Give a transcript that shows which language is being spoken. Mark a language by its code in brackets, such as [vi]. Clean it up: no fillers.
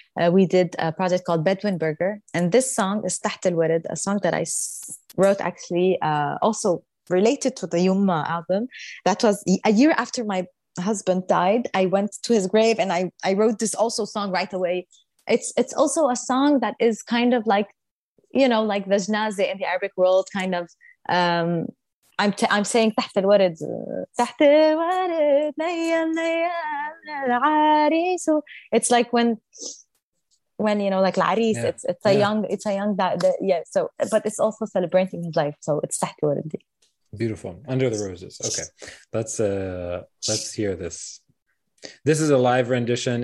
[en] We did a project called Bedouin Burger. And this song is Taht Al Warid, a song that I wrote actually also related to the Yumma album. That was a year after my husband died. I went to his grave and I wrote this also song right away. It's also a song that is kind of like, you know, like the janazeh in the Arabic world, kind of. I'm saying [ar] تحت الورد, تحت الورد, ليل ليل العريس. [en] It's like when you know, like العريس. Yeah. It's a young, it's a young So, but it's also celebrating his life. So it's [ar] تحت الورد. [en] Beautiful, under the roses. Okay, let's hear this. This is a live rendition.